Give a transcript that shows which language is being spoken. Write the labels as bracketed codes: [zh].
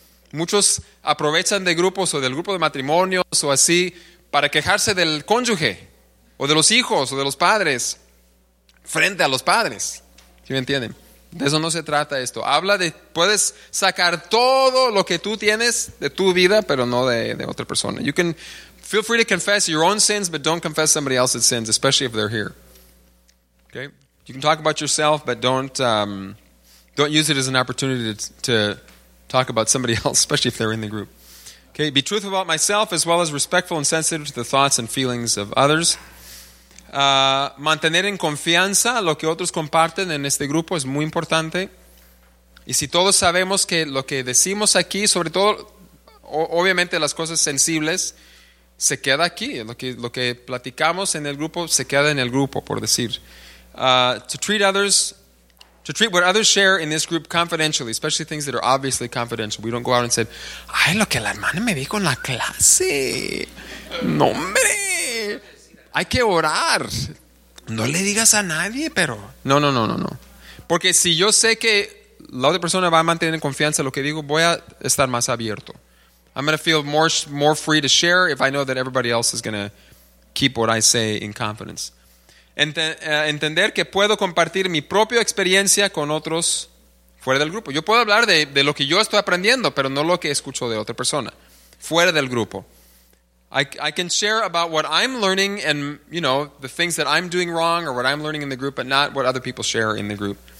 [es] Muchos aprovechan de grupos o del grupo de matrimonios o así para quejarse del cónyuge o de los hijos o de los padres frente a los padres. ¿Sí me entienden? De eso no se trata esto. Habla de, puedes sacar todo lo que tú tienes de tu vida, pero no de otra persona. [en] You can feel free to confess your own sins, but don't confess somebody else's sins, especially if they're here. Okay? You can talk about yourself, but don't use it as an opportunity to talk about somebody else, especially if they're in the group. Okay? Be truthful about myself as well as respectful and sensitive to the thoughts and feelings of others. [es] Mantener en confianza lo que otros comparten en este grupo es muy importante. Y si todos sabemos que lo que decimos aquí, sobre todo, obviamente las cosas sensibles, se queda aquí. Lo que platicamos en el grupo se queda en el grupo, por decir. [en] To treat what others share in this group confidentially, especially things that are obviously confidential. We don't go out and say, [es] ay, lo que la hermana me dijo en la clase. No, hombre. Hay que orar. No le digas a nadie, pero... No, no, no, no, no. Porque si yo sé que la otra persona va a mantener confianza en lo que digo, voy a estar más abierto. [en] I'm going to feel more free to share if I know that everybody else is going to keep what I say in confidence. [es] Entender que puedo compartir mi propia experiencia con otros fuera del grupo. Yo puedo hablar de lo que yo estoy aprendiendo, pero no lo que escucho de otra persona fuera del grupo. [en] I can share about what I'm learning and, you know, the things that I'm doing wrong or what I'm learning in the group, but not what other people share in the group.